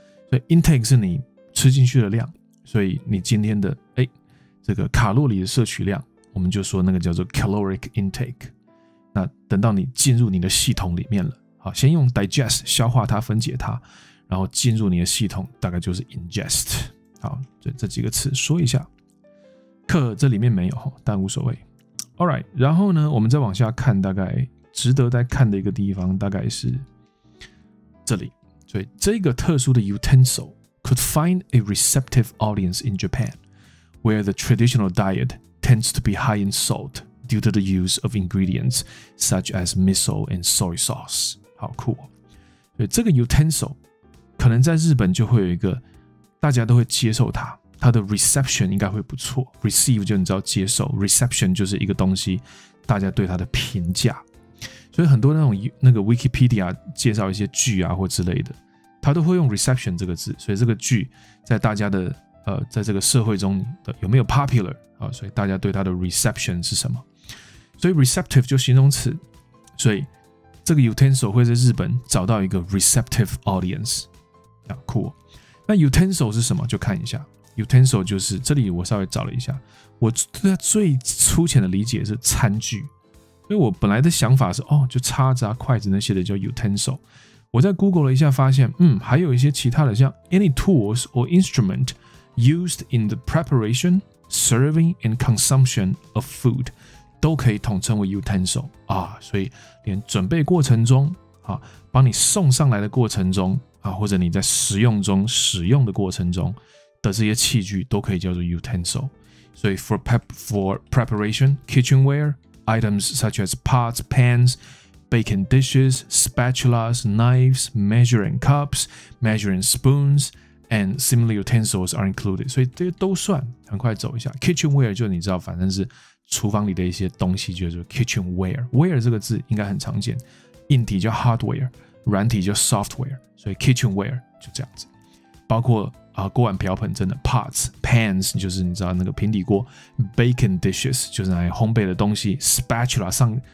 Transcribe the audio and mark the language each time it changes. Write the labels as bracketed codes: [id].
[zh] 所以 intake 是你吃进去的量，所以你今天的这个卡路里的摄取量，我们就说那个叫做 caloric intake。那等到你进入你的系统里面了，好，先用 digest 消化它分解它，然后进入你的系统大概就是 ingest。好，这几个词说一下，课这里面没有但无所谓。 [en] Alright， [zh] 然后呢我们再往下看，大概值得再看的一个地方大概是这里，所以这个特殊的 [en] utensil could find a receptive audience in Japan where the traditional diet tends to be high in saltdue to the use of ingredients such as miso and soy sauce. [zh] 好酷哦。所以这个 utensil 可能在日本就会有一个大家都会接受它，它的 reception 应该会不错。 receive 就你知道接受， reception 就是一个东西大家对它的评价。所以很多那个 Wikipedia 介绍一些剧啊或之类的，它都会用 reception 这个字，所以这个剧在大家的在这个社会中的有没有 popular，所以大家对它的 reception 是什么，所以 receptive 就形容词，所以这个 utensil 会在日本找到一个 receptive audience。啊，酷哦。那 utensil 是什么？就看一下。utensil 就是这里我稍微找了一下，我对它最粗浅的理解是餐具。所以我本来的想法是，哦，就叉子啊、筷子那些的叫 utensil。我在 Google 了一下，发现，嗯，还有一些其他的，像 [en] any tools or instrument used in the preparation, serving and consumption of food [zh] 都可以统称为 utensil 啊。所以连准备过程中啊，帮你送上来的过程中啊，或者你在食用中使用的过程中的这些器具都可以叫做 utensil。所以 [en] for preparation, kitchenware, items such as pots, pans,Baking dishes, spatulas, knives, measuring cups, measuring spoons, and similar utensils are included. [zh] 所以这些都算，很快走一下。Kitchenware 就你知道，反正是厨房里的一些东西，就是 kitchenware。 Ware 这个字应该很常见，硬体叫 hardware， 软体叫 software。所以 kitchenware 就这样子，包括啊锅碗瓢盆，真的 pots, pans 就是你知道那个平底锅 ，baking dishes 就是来烘焙的东西 ，spatula 上。